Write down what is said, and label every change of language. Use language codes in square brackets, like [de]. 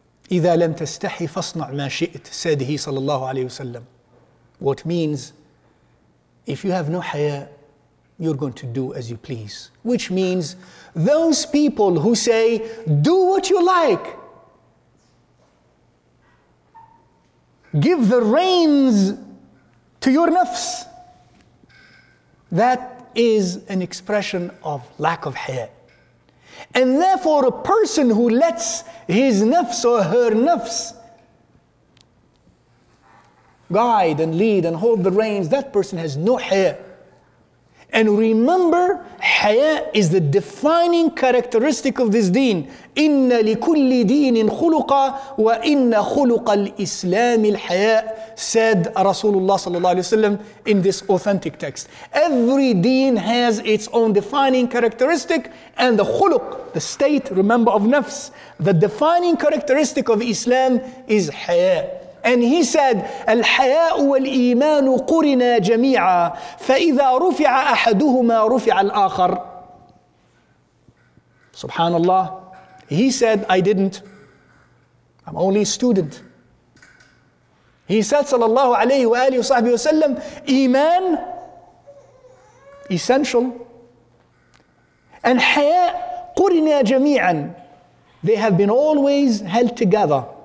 [ar] إِذَا لَمْ تَسْتَحِ فَاصْنَعْ مَا شِئْتْ, [en] said he [ar] صلى الله عليه وسلم. [en] What means, if you have no haya, you're going to do as you please. Which means, those people who say, do what you like, give the reins to your nafs, that is an expression of lack of haya. And therefore, a person who lets his nafs or her nafs guide and lead and hold the reins, that person has no haya. And remember, haya is the defining characteristic of this deen. [ar] إِنَّ لِكُلِّ دِينٍ خُلُقًا وَإِنَّ خُلُقَ الْإِسْلَامِ الْحَيَاءِ, [en] said Rasulullah sallallahu alayhi wa sallam in this authentic text. Every deen has its own defining characteristic, and the khuluq, the state, remember, of nafs, the defining characteristic of Islam is haya. And he said, [ar] الْحَيَاءُ وَالْإِيمَانُ قُرِنَا جَمِيعًا فَإِذَا رُفِعَ أَحَدُهُمَا رُفِعَ الْآخَرُ. [en] Subhanallah, he said, I didn't. I'm only a student. He said, sallallahu alayhi wa alihi wa sahbihi wa sallam, Iman, essential. And haya, [ar] قُرِنَا جَمِيعًا. [en] They have been always held together.